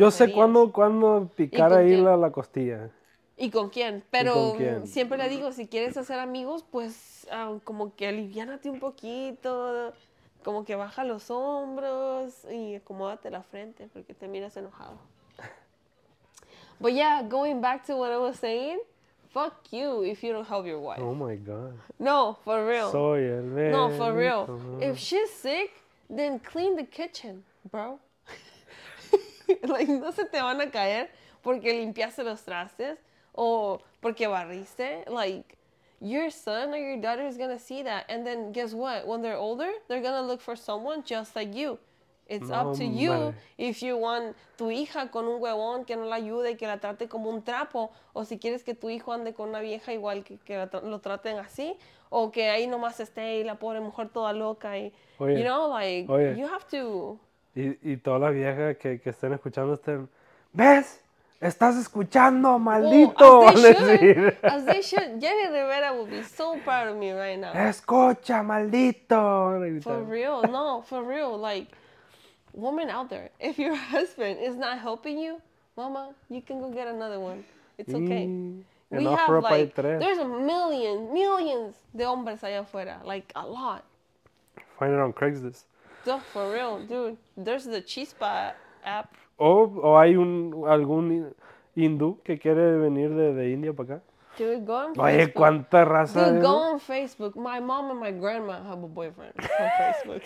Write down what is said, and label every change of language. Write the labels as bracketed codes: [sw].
[es] yo sé cuándo picar ahí la costilla. ¿Y con quién? Pero con quién. Siempre le digo, si quieres hacer amigos, pues como que aliviánate un poquito. Como que baja los hombros y acomódate la frente porque te miras enojado. [en] But yeah, going back to what I was saying. Fuck you if you don't help your wife. Oh my God. No, for real. [es] Soy el [en] man. No, for real. If she's sick, then clean the kitchen, bro. [es] Like, no se te van a caer porque limpiaste los trastes o porque barriste. [en] Like, your son or your daughter is gonna see that. And then, guess what? When they're older, they're gonna look for someone just like you. It's up to you if you want tu [es] hija con un huevón que no la ayude y que la trate como un trapo, o si quieres que tu hijo ande con una vieja igual que lo traten así, o que ahí nomás esté y la pobre mujer toda loca y, oye, [en] you know, like, [es] oye, [en] you have to... [es] Y todas las viejas que estén escuchando estén, ¿ves? ¡Estás escuchando, maldito! [en] As they should, Jenny Rivera would be so proud of me right now. [es] ¡Escucha, maldito! [en] For real, no, for real, like... Woman out there, if your husband is not helping you, mama, you can go get another one. It's okay. We have like, there's a million, millions [es] de hombres allá afuera. [en] Like, a lot. Find it on Craigslist. Duh, for real, dude. There's the Chispa app. [es] O hay algún hindú que quiere venir de India para acá. [en] Dude, go on [es] Facebook. Oye, ¿cuánta raza? [en] Dude, go on Facebook. My mom and my grandma have a boyfriend on Facebook.